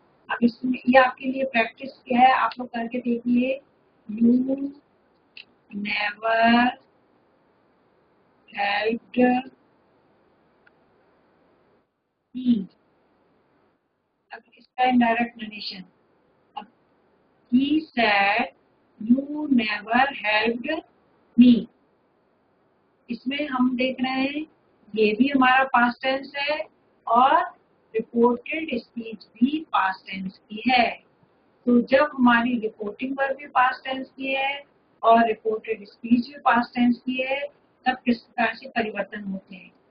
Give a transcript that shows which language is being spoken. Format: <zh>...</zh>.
<hi>अब इसमें ये आपके लिए प्रैक्टिस क्या है आप लोग करके देखिए.</hi> <en>You never helped me.</en> <hi>अब इसका indirect narration. अब</hi> <en>he said you never helped me.</en> <hi>इसमें हम देख रहे हैं ये भी हमारा past tense है और reported speech भी past tense की है. तो जब हमारी रिपोर्टिंग वर्ब भी पास्ट टेंस की है और रिपोर्टेड स्पीच भी पास्ट टेंस की है तब किस प्रकार से परिवर्तन होते हैं.</hi>